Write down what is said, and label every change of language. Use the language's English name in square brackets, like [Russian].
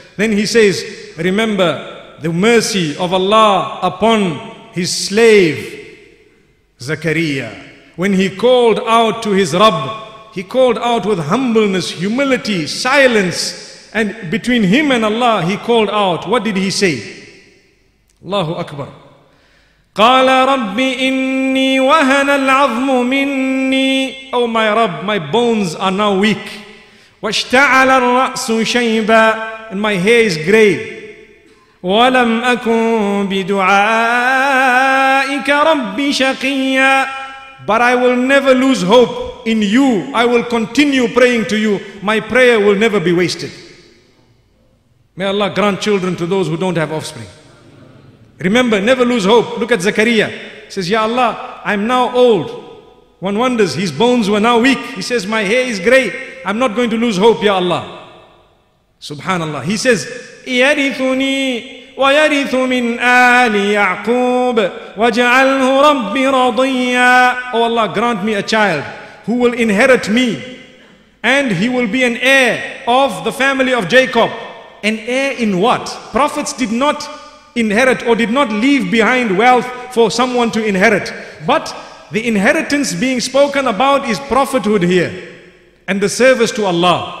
[English] Then He says, remember the mercy of Allah upon His slave Zakariyyah. When he called out to his Rabb, he called out with humbleness, humility, silence, and between him and Allah, he called out. What did he say? Allahu Akbar. [Arabic] قال ربي إني وهن العظم مني. [English] Oh my Rabb, my bones are now weak. [Arabic] واشتعل الرأس شيبا. [English] And my hair is grey. [Arabic] ولم أكن بدعائك ربي شقيا. [English] But I will never lose hope in you. I will continue praying to you. My prayer will never be wasted. May Allah grant children to those who don't have offspring. Remember, never lose hope. Look at Zakariyyah. He says, Ya Allah, I'm now old. One wonders, his bones were now weak. He says, my hair is gray. I'm not going to lose hope, Ya Allah. Subhanallah. He says, [Arabic] يرثني ويرث من آل يعقوب واجعله ربي رضيا. [English] Oh Allah, grant me a child who will inherit me, and he will be an heir of the family of Jacob. An heir in what? Prophets did not inherit or did not leave behind wealth for someone to inherit. But the inheritance being spoken about is prophethood here, and the service to Allah.